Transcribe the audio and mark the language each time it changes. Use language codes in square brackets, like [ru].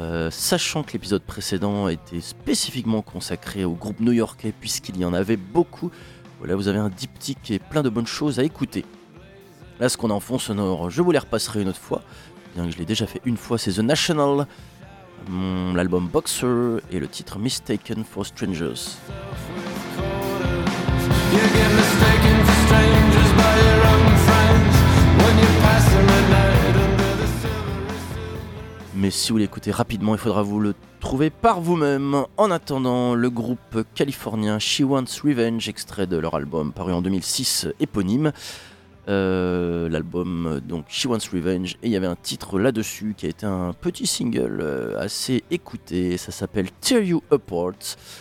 [fr] Sachant que l'épisode précédent était spécifiquement consacré au groupe new-yorkais, puisqu'il y en avait beaucoup, voilà, vous avez un diptyque et plein de bonnes choses à écouter. Là, ce qu'on a en fond sonore, je vous les repasserai une autre fois. Bien que je l'ai déjà fait une fois, c'est The National, l'album Boxer et le titre Mistaken for Strangers. [en] You get mistaken for strangers by your own friends when you pass the red light under the silver. [fr] Mais si vous l'écoutez rapidement, il faudra vous le trouver par vous-même. En attendant, le groupe californien She Wants Revenge, extrait de leur album paru en 2006, éponyme. L'album donc She Wants Revenge, et il y avait un titre là-dessus qui a été un petit single assez écouté, ça s'appelle Tear You Apart.